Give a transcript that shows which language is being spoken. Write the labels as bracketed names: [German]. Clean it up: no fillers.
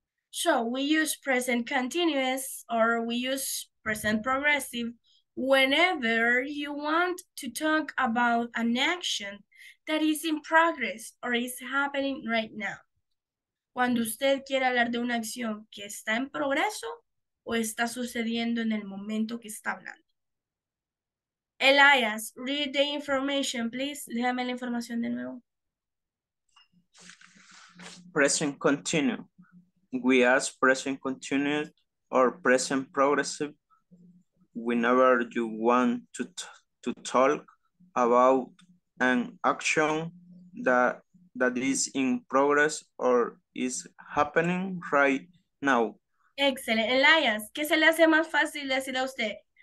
[English] So, we use present continuous or we use present progressive whenever you want to talk about an action that is in progress or is happening right now. [Spanish] Cuando usted quiere hablar de una acción que está en progreso o está sucediendo en el momento que está hablando. Elias, [English] read the information, please. [Spanish] Léame la información de nuevo. [English] Present continue. We ask present continuous or present progressive whenever you want to talk about an action that is in progress or is happening right now. Excellent. [Spanish] Elias, ¿qué se le hace más fácil decir a usted?